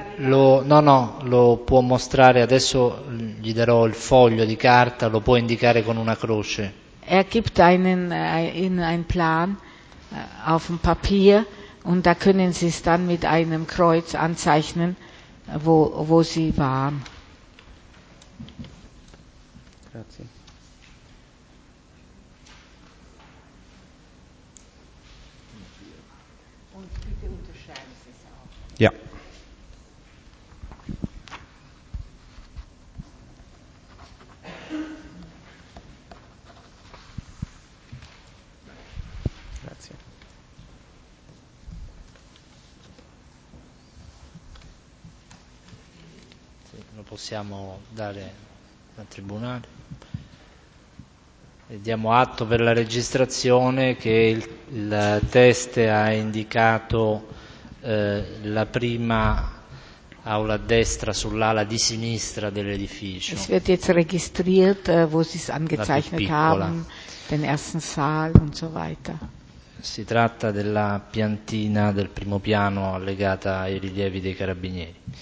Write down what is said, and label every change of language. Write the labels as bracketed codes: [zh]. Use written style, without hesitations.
[it] Lo può mostrare adesso, gli darò il foglio di carta, lo può indicare con una croce. [de] Er gibt einen in einen Plan auf dem Papier und da können Sie es dann mit einem Kreuz anzeichnen, wo Sie waren. [it] Grazie. [de] Ja. [it] Grazie. Sì, lo possiamo dare al tribunale. E diamo atto per la registrazione che il test ha indicato la prima aula a destra sull'ala di sinistra dell'edificio. [de] Es wird jetzt registriert, wo Sie es angezeichnet haben, den ersten Saal und so weiter. [it] Si tratta della piantina del primo piano allegata ai rilievi dei carabinieri.